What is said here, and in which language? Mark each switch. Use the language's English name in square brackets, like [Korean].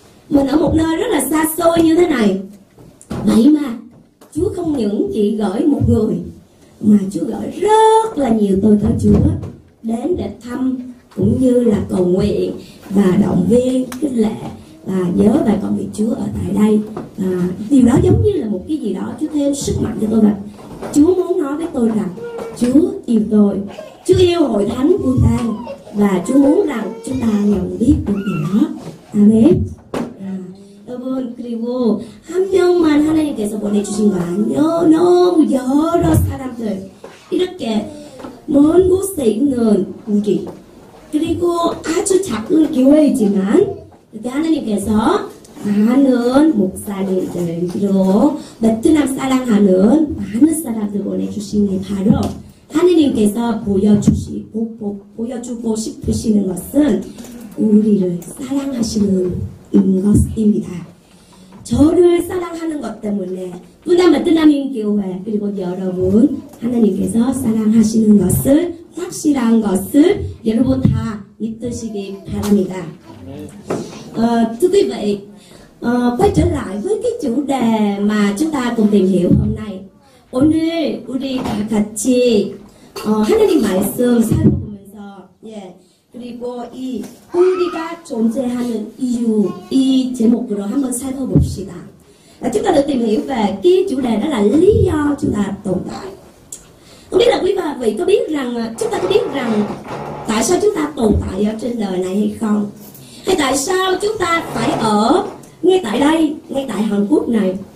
[Vietnamese] Mình ở một nơi rất là xa xôi như thế này vậy mà Chúa không những chỉ gửi một người mà Chúa gửi rất là nhiều tôi thơ Chúa đến để thăm cũng như là cầu nguyện và động viên kính lệ và nhớ về công việc Chúa ở tại đây. Và điều đó giống như là một cái gì đó Chúa thêm sức mạnh cho tôi rằng Chúa muốn nói với tôi rằng Chúa yêu tôi, Chúa yêu hội thánh của ta và Chúa muốn rằng chúng ta nhận biết được điều đó. [English] Amen. [Korean] 여러분 그리고 한 명만 하나님께서 보내주신 거 아니요. 너무 여러 사람들 이렇게 먼 곳에 있는 우리 그리고 아주 작은 교회이지만 이렇게 하나님께서 많은 목사님들 그리고 베트남 사랑하는 많은 사람들 보내주신 게 바로 하나님께서 보여주고 싶으시는 것은 우리를 사랑하시는 것입니다. 저를 사랑하는 것 때문에 분당 베트남인 교회 그리고 여러분 하나님께서 사랑하시는 것을 확실한 것을 여러분 다 믿으시기 바랍니다. [Vietnamese] Thưa quý vị, quay trở lại với cái chủ đề mà chúng ta cùng tìm hiểu hôm nay. [Korean] 오늘 우리 다 같이 하나님 말씀 살펴보면서 그리고 이 우리가 존재하는 이유 이 제목으로 한번 살펴봅시다. 지금 다들 [Vietnamese] tìm hiểu về cái chủ đề đó là lý do chúng ta tồn tại. Không biết là quý vị có biết rằng chúng ta có biết rằng tại sao chúng ta tồn tại ở trên đời này hay không? Hay tại sao chúng ta phải ở ngay tại đây, ngay tại Hàn Quốc này?